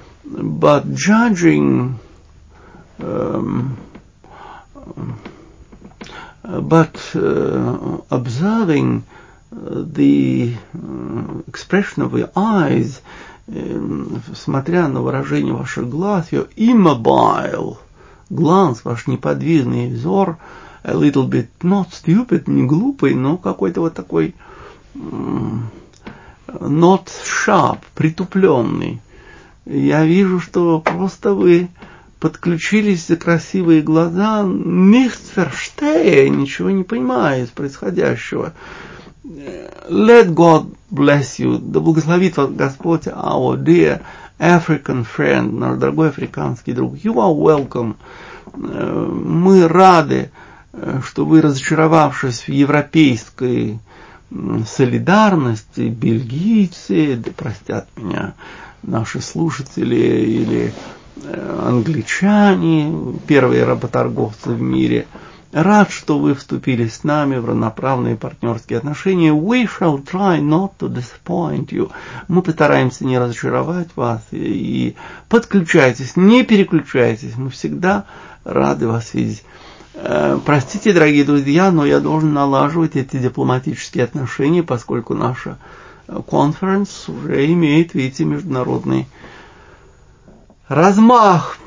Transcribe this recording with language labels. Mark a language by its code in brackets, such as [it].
[en] But judging observing the expression of your eyes, [ru] смотря на выражение ваших глаз, [en] your immobile glance, [ru] ваш неподвижный взор, [en] a little bit not stupid, [ru] не глупый, но какой-то вот такой [en] not sharp, [ru] притупленный. Я вижу, что просто вы подключились за красивые глаза, [de] nicht verstehe, [ru] ничего не понимая из происходящего. [en] Let God bless you. [ru] Да благословит вас Господь, [en] our dear African friend, [ru] наш дорогой африканский друг. [en] You are welcome. [ru] Мы рады, что вы, разочаровавшись в европейской солидарности, бельгийцы, да простят меня наши слушатели, или англичане, первые работорговцы в мире, рад, что вы вступили с нами в равноправные партнерские отношения. [en] We shall try not to disappoint you. [ru] Мы постараемся не разочаровать вас. И подключайтесь, не переключайтесь. Мы всегда рады вас видеть. Простите, дорогие друзья, но я должен налаживать эти дипломатические отношения, поскольку наша конференция уже имеет, видите, международный размах.